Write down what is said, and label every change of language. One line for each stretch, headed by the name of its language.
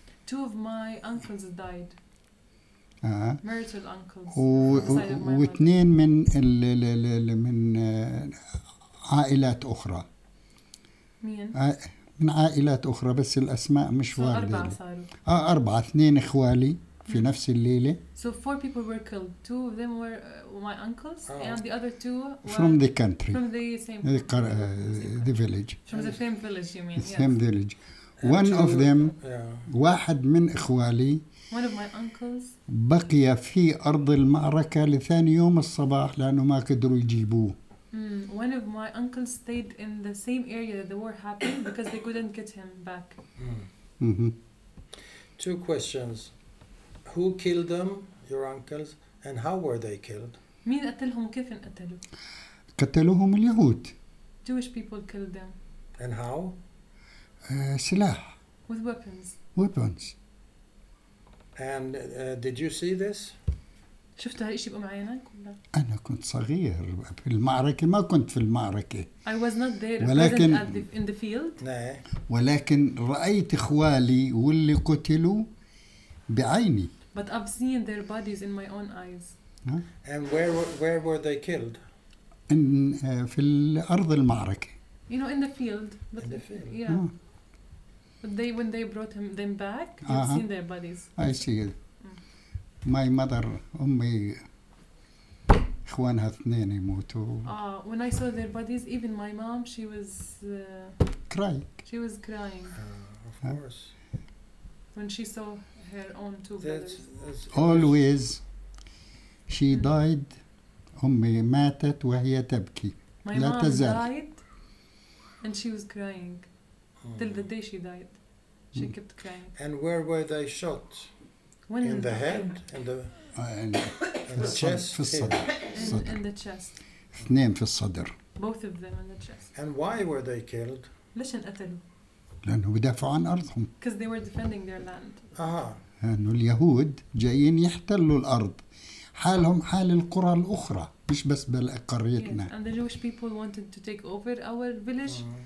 English: Two of my uncles died. Marital uncles.
Arabic: واثنين من ال ال ال من عائلات أخرى. مين؟ من عائلات أخرى بس الأسماء مش واردة. أربعة صاروا. أربعة اثنين إخوالي في نفس الليلة.
English: So four people were killed. Two of them were my uncles, and the other two were from the country, from the same the village. From the same village, you mean? The same village. One of them,
Arabic: واحد من إخوالي.
English: One of my uncles.
Arabic: بقي في أرض المعركة لثاني يوم الصباح لأنه ما قدروا يجيبوه.
English: One of my uncles stayed in the same area that the war happened because they couldn't get him back. Two questions. Who killed them, your uncles, and how were they killed?
Arabic: مين قتلهم وكيف انقتلوا؟ قتلوهم اليهود.
English: Jewish people killed them. And how?
Arabic: سلاح.
English: With weapons. Weapons. And did you see this?
Arabic: شفت هالشيء بأم عينك ولا؟ أنا كنت صغير في المعركة ما كنت في المعركة.
English: I was not there.
Arabic: ولكن
English: in the field.
Arabic: نعم. ولكن رأيت إخوالي واللي قتلوا بعيني.
English: But I've seen their bodies in my own eyes. And where were they killed? In
Arabic: في الأرض المعركة.
English: You know, in the field. But in the field. But they when they brought them back, I've seen their bodies. I see. My mother,
Arabic: أمي, إخوانها اثنين يموتوا.
English: When I saw their bodies, even my mom, she was crying. She was crying. Of course. When she saw. That's always she died
Arabic: أمي ماتت وهي تبكي لا تزال
English: died and she was crying till the day she died she kept crying and where were they shot when in the head in the chest
Arabic: في الصدر
English: in the chest
Arabic: اثنين في الصدر
English: both of them in the chest and why were they killed
Arabic: ليش انقتلوا لأنه بدافعوا عن أرضهم
English: because they were defending their land
Arabic: أنه اليهود جايين يحتلوا الأرض حالهم حال القرى الأخرى مش بس بقريتنا
English: and the Jewish people wanted to take over our village